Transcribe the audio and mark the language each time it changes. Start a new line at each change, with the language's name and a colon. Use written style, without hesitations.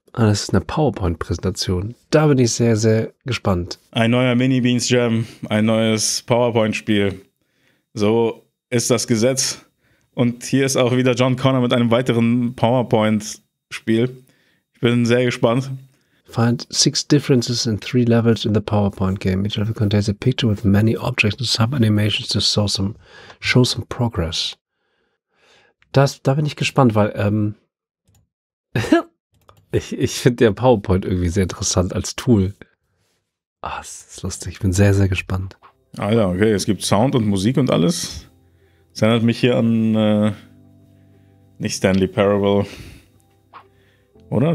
German: Und das ist eine PowerPoint-Präsentation. Da bin ich sehr, sehr gespannt. Ein neuer Mini-Beans-Jam, ein neues PowerPoint-Spiel. So ist das Gesetz. Und hier ist auch wieder John Connor mit einem weiteren PowerPoint-Spiel. Ich bin sehr gespannt.
English: Find 6 differences in 3 levels in the PowerPoint game. Each level contains a picture with many objects and sub-animations to show some progress.
German: Das, da bin ich gespannt, weil ich finde der PowerPoint irgendwie sehr interessant als Tool. Ah, das ist lustig. Ich bin sehr, sehr gespannt. Alter, okay. Es gibt Sound und Musik und alles. Das erinnert mich hier an nicht Stanley Parable. Oder?